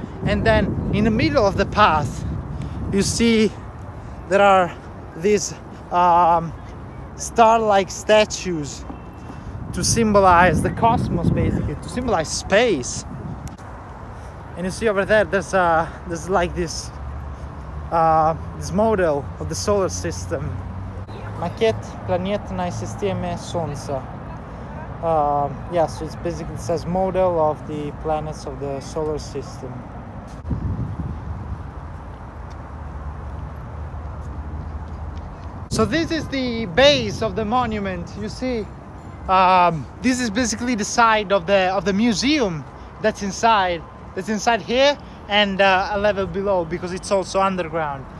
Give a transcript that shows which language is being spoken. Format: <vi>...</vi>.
<en>And then in the middle of the path, you see there are these star-like statues to symbolize the cosmos, basically, to symbolize space. And you see over there, there's like this model of the solar system.</en> <ru>Макет планетной системы Солнца.</ru> <en>So it's basically, it says model of the planets of the solar system. So this is the base of the monument, you see. This is basically the side of the museum that's inside here and a level below, because it's also underground.</en>